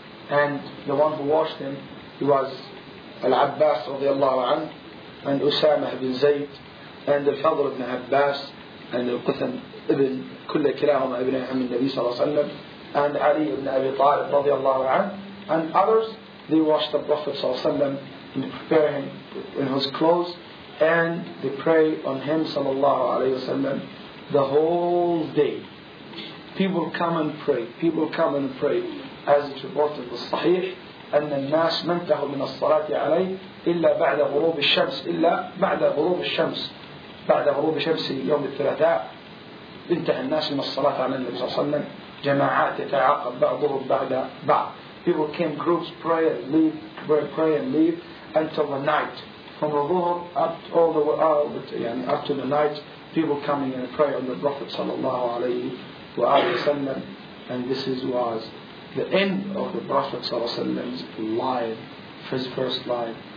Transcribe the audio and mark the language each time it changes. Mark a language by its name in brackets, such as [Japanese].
[English] And the one who washed him, he was Al-Abbas radiallahu anhu, and Usama ibn Zayd, and Al-Fadr ibn Abbas, and Al-Quthan ibn Kulla Kirahuma ibn Ahmad Nabi sallallahu alayhi wa sallam, and Ali ibn Abi Talib radiallahu anhu, and others, they washed the Prophet sallallahu alayhi wa sallam, and prepare him in his clothes, and they pray on him sallallahu alayhi wa sallam the whole day. People come and pray, people come and pray, as it's reported in Sahih, [Arabic] أن الناس منتهوا من الصلاة عليه إلا بعد غروب الشمس إلا بعد غروب الشمس بعد غروب الشمس يوم الثلاثاء انتهى الناس من الصلاة على النبي صلى الله عليه وسلم جماعات يتعاقب بعضهم بعد بعض. [English] People came groups, pray and leave, pray and leave until the night. From the ظهر up to all the يعني up to the night, people coming and pray on the Prophet صلى الله عليه وسلم. And this is was the end of the Prophet ﷺ's life, his first life.